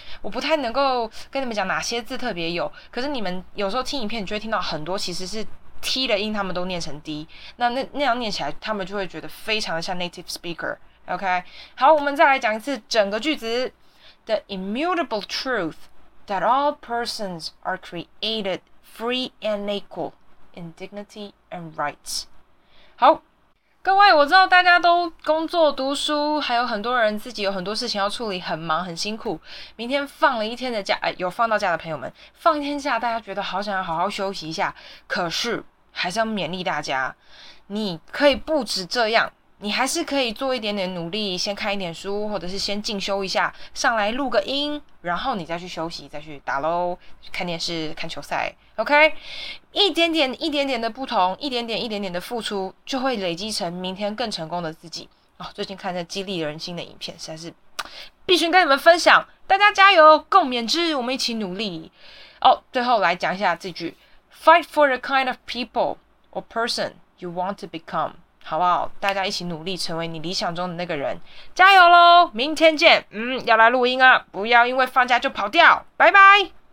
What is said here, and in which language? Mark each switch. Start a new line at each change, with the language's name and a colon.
Chinese: 我不太能够跟你们讲哪些字特别有，可是你们有时候听影片就会听到很多其实是 t 的音，他们都念成 d， 那样念起来，他们就会觉得非常的像 native speaker。 OK， 好，我们再来讲一次整个句子。
English: The immutable truth that all persons are created free and equal in dignity and rights。
Chinese: 好，各位，我知道大家都工作读书，还有很多人自己有很多事情要处理，很忙很辛苦，明天放了一天的假，有放到假的朋友们，放一天假大家觉得好想要好好休息一下，可是还是要勉励大家，你可以不止这样，你还是可以做一点点努力，先看一点书，或者是先进修一下，上来录个音，然后你再去休息，再去打喽，看电视，看球赛 ，OK？一点点，一点点的不同，一点点，一点点的付出，就会累积成明天更成功的自己。哦，最近看那激励人心的影片，实在是必须跟你们分享，大家加油，共勉之，我们一起努力。哦，最后来讲一下这句
English: ：Fight for the kind of people or person you want to become。
Chinese: 好不好？大家一起努力成为你理想中的那个人，加油咯，明天见。要来录音啊，不要因为放假就跑掉，拜拜。